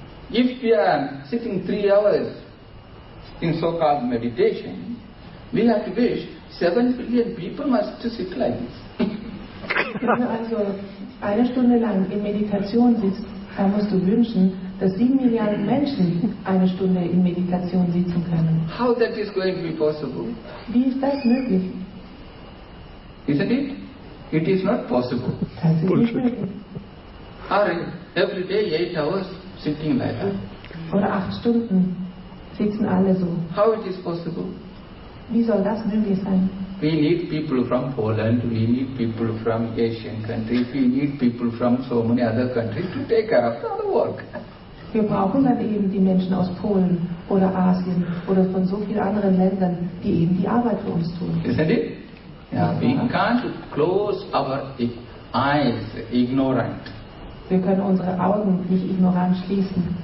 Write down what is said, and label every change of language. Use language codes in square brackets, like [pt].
[en] If we are sitting 3 hours in so-called meditation, we have to wish 7 billion people must sit like this. [de] Wenn man also eine Stunde lang in Meditation sitzt, dann musst du wünschen, dass 7 Milliarden Menschen eine Stunde in Meditation sitzen können. [en] How that is going to be possible? [de] Wie ist das möglich? [en] Isn't it? It is not possible. [de] Das ist nicht möglich. [en] Are every day 8 hours sitting like that? [de] Oder 8 Stunden sitzen alle so. [en] How it is possible? [de] Wie soll das möglich sein? [en] We need people from Poland, we need people from Asian countries, we need people from so many other countries to take care of our work. [de] Wir brauchen dann eben die Menschen aus Polen oder Asien oder von so vielen anderen Ländern, die eben die Arbeit für uns tun. [en] Isn't it? Yeah, we can't close our eyes ignorant. [de] Wir können unsere Augen nicht ignorant schließen.